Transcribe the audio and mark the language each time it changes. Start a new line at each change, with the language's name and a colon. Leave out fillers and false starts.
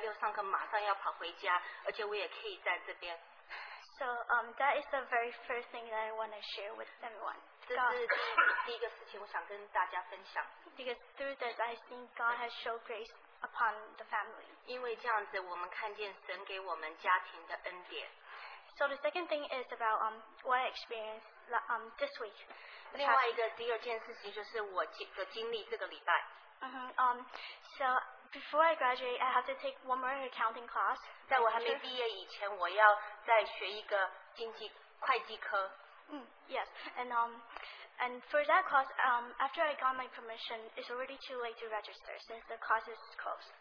Chinese: 所以我就不用上课，礼拜六上课马上要跑回家，而且我也可以在这边。
English: So that is the very first thing that I want to share with everyone.
Chinese: 这是第一个事情，我想跟大家分享。
English: Because through this, I think God has showed grace upon the family.
Chinese: 因为这样子，我们看见神给我们家庭的恩典。
English: So the second thing is about what I experienced this week.
Chinese: 另外一个第二件事情就是我的经历这个礼拜。
English: So before I graduate, I have to take one more accounting class.
Chinese: 在我还没毕业以前，我要再学一个经济会计科。
English: Yes, and for that class, after I got my permission, it's already too late to register since the class is closed.